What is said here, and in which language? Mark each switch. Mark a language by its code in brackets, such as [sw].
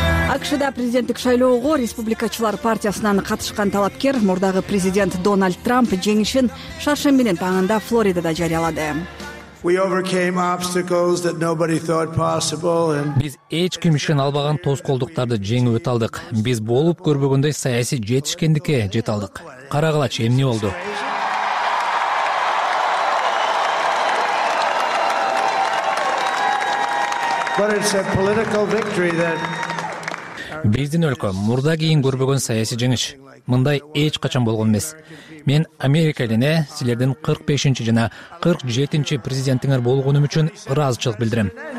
[ky] АКШда президенттик шайлоого Республикачылар партиясынан катышкан талапкер мурдагы президент Дональд Трамп жеңишин шаршембинин таңында Флоридада жарыялады. [en] We overcame obstacles that nobody thought possible and [ky] биз эч ким ишен албаган тоскоолдуктарды жеңип өтөлдүк. Биз болуп көрбөгөндөй саясий жетишкендикке жете алдык. Кара кылач, эмне болду? [en] But it's a political victory that [ky] биздин өлкө мурда кийин көрбөгөн саясий жеңиш. Мындай эч качан болгон эмес. Мен Америка элине силердин 45-чи жана 47-чи президентиңер болгонум үчүн ыраазычылык билдирем.